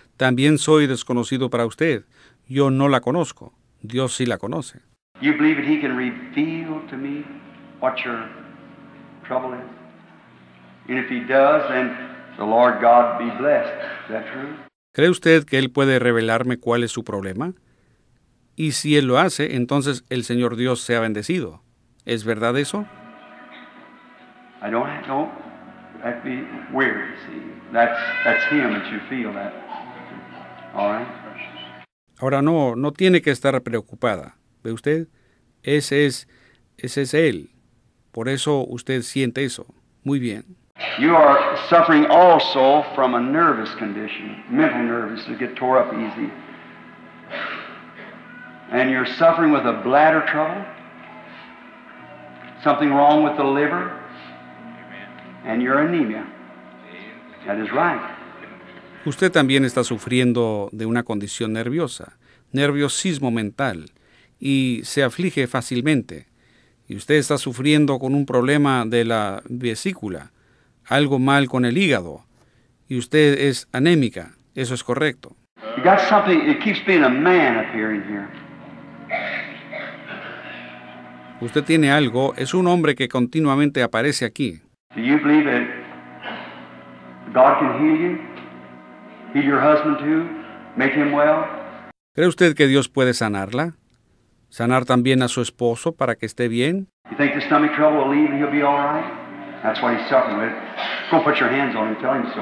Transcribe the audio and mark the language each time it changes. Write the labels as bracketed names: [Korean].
[Spanish] También soy desconocido para usted. Yo no la conozco. Dios sí la conoce. [English] You believe that he can reveal to me what your trouble is? And if he does, then the Lord God be blessed. Is that true? [Spanish] ¿Cree usted que él puede revelarme cuál es su problema? Y si él lo hace, entonces el Señor Dios sea bendecido. ¿Es verdad eso? [English] I don't be weary, see. That's him that you feel that. All right? [Spanish] Ahora no tiene que estar preocupada. ¿Ve usted? Ese es él. Por eso usted siente eso. Muy bien. [English] You are suffering also from a nervous condition, mental nerves that get tore up easy. And you're suffering with a bladder trouble, something wrong with the liver, and your anemia. That is right. [Spanish] Usted también está sufriendo de una condición nerviosa, nerviosismo mental, y se aflige fácilmente. Y usted está sufriendo con un problema de la vesícula, algo mal con el hígado, y usted es anémica. Eso es correcto. [English] You got something, it keeps being a man appearing here. [Spanish] Usted tiene algo, es un hombre que continuamente aparece aquí. [English] Do you believe that God can heal you? Heal your husband too? Make him well? [Spanish] ¿Cree usted que Dios puede sanarla? ¿Sanar también a su esposo para que esté bien? [English] You think the stomach trouble will leave and he'll be all right? That's why he's suffering with it. Go put your hands on him, tell him so.